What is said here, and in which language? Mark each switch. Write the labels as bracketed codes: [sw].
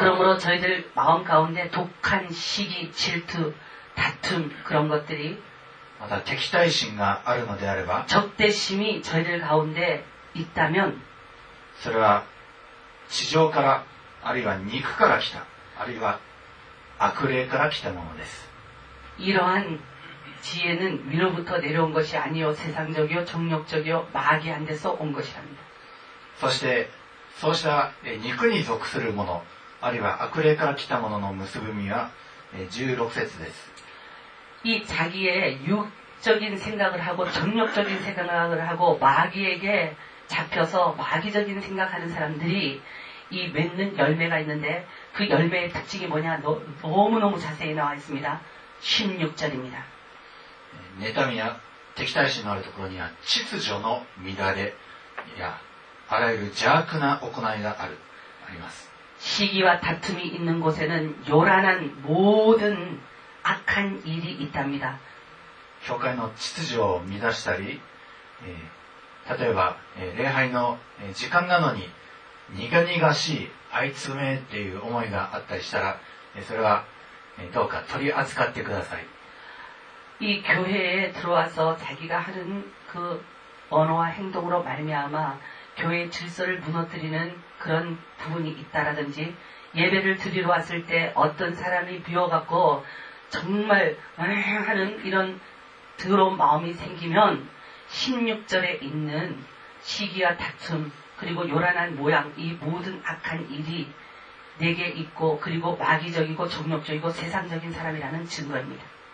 [ko] 그러므로저희들마음가운데독한시기질투다툼그런것들이 [ja] また敵対心があるのであれば [ko] 적대심이저희들가운데있다면 [ja] それは地上からあるいは肉から来たあるいは悪霊から来たものです [ko] 이러한지혜는위로부터내려온것이아니요세상적이요정욕적이요마귀한데서온것이랍니다 [ja] そしてそうした肉に属するものあるいは悪霊から来たものの結び目は16節です [ko] 이자기의육적인생각을하고정욕적인생각을하고마귀에게잡혀서마귀적인생각하는사람들이이맺는열매가있는데그열매의특징이뭐냐너무너무자세히나와있습니다16절입니다 [ja] 妬みや敵対心のあるところには秩序の乱れやあらゆる邪悪な行いがあるあります [ko] 시기와다툼이있는곳에는요란한모든악한일이있답니다 [ja] 教会の秩序を乱したり、例えば、礼拝の時間なのに苦々しいあいつめっていう思いがあったりしたら、それは、どうか取り扱ってください [ko] 이교회에들어와서자기가하는그언어와행동으로말미암아교회질서를무너뜨리는그런부분이있다라든지예배를드리러왔을때어떤사람이미워갖고정말하는이런더러운마음이생기면16절에있는시기와다툼그리고요란한모양이모든악한일이내게있고그리고마귀적이고정욕적이고세상적인사람이라는증거입니다